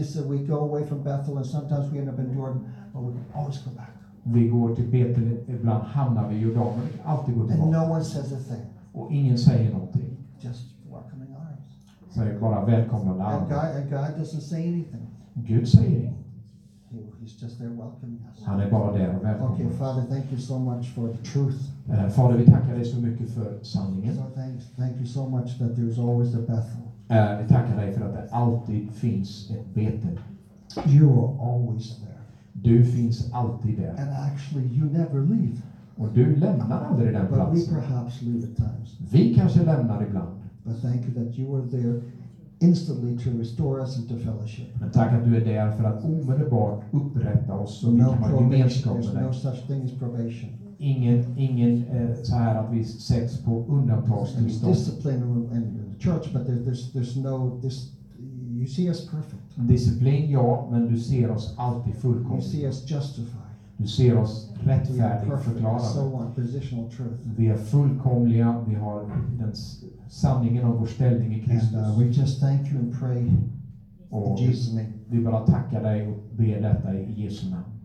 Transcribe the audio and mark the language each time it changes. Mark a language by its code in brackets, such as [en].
[en] We go away from Bethel and sometimes we end up in Jordan, but we always go back. [sv] Vi går till Betel, ibland hamnar vi i Jordan, men alltid går tillbaka. [en] And no one says a thing. [sv] Och ingen säger någonting. [en] Just welcoming arms. [sv] Säger bara välkomna arms. [en] And God doesn't say anything. [sv] Gud säger ingenting. [en] He's just there welcoming us. [sv] Han är bara där och välkomnar. [en] Okay, Father, thank you so much for the truth. [sv] Fader, vi tackar dig så mycket för sanningen. [en] So thank you so much that there's always a Bethel. [sv] Vi tackar dig för att det alltid finns ett Betel. [en] You are always there. [sv] Du finns alltid där. [en] And actually, you never leave. [sv] Och du lämnar aldrig den platsen. [en] But we perhaps leave at times. [sv] Vi kanske lämnar ibland. [en] But thank you that you are there. Instantly to restore us into fellowship. [sv] Men tack att du är där för att omedelbart upprätta oss så vi kan ha gemenskap med dig. [en] No such thing as probation. [sv] Ingen så här att vi sätts på undantagstillstånd. [en] Discipline in the church, but there's no this. You see us perfect. [sv] Disciplin, ja, men du ser oss alltid fullkomna. [en] You see us justified. [sv] Du ser oss rättfärdiga, förklarade. [en] So on, positional truth. [sv] Vi är fullkomliga. Vi har den sanningen om vår ställning i Kristus. [en] And we just thank you and pray in Jesus' name. [sv] Vi bara tackar dig och ber detta i Jesu namn.